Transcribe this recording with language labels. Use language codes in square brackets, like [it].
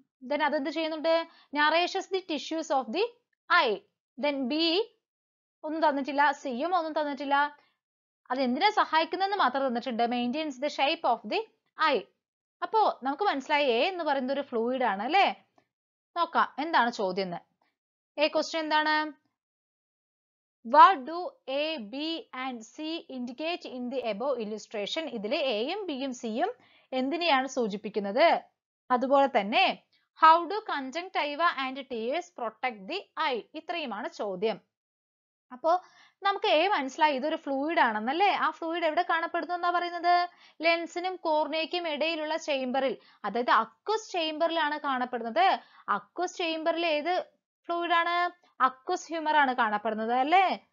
[en] then [ml] അതെന്ത് ചെയ്യുന്നുണ്ട്? [en] Nourishes the tissues of the eye. Then B [ml] ഒന്നും തന്നിട്ടില്ല, സിയും ഒന്നും തന്നിട്ടില്ല, അത് എന്തിനെ സഹായിക്കുന്നെന്ന് മാത്രം തന്നിട്ടുണ്ട്, [en] Maintains the shape of the eye. [ml] അപ്പോ നമുക്ക് മനസ്സിലായി എ എന്ന് പറയുന്ന ഒരു ഫ്ലൂയിഡ് ആണ് അല്ലേ. നോക്കാം എന്താണ് ചോദ്യം എന്ന്. എ ക്വസ്റ്റ്യൻ എന്താണ്? [en] What do A, B and C indicate in the above illustration? [ml] ഇതിലെ എയും ബിയും സിയും എന്തിനെയാണ് സൂചിപ്പിക്കുന്നത്? അതുപോലെ തന്നെ [en] How do conjunctiva and tears protect the eye? [ml] ഇത്രയുമാണ് ചോദ്യം. അപ്പോ നമുക്ക് എ മനസ്സിലായി ഇതൊരു ഫ്ലൂയിഡ് ആണെന്നല്ലേ. ആ ഫ്ലൂയിഡ് എവിടെ കാണപ്പെടുന്നു എന്നാ പറയുന്നത്? ലെൻസിനും കോർണിയയ്ക്കും ഇടയിലുള്ള ചേംബറിൽ, അതായത് അക്വസ് ചേംബറിലാണ് കാണപ്പെടുന്നത്. അക്വസ് ചേംബറിൽ ഏത് ഫ്ലൂയിഡ് ആണ്? അക്വസ് ഹ്യൂമർ ആണ് കാണപ്പെടുന്നത് അല്ലേ.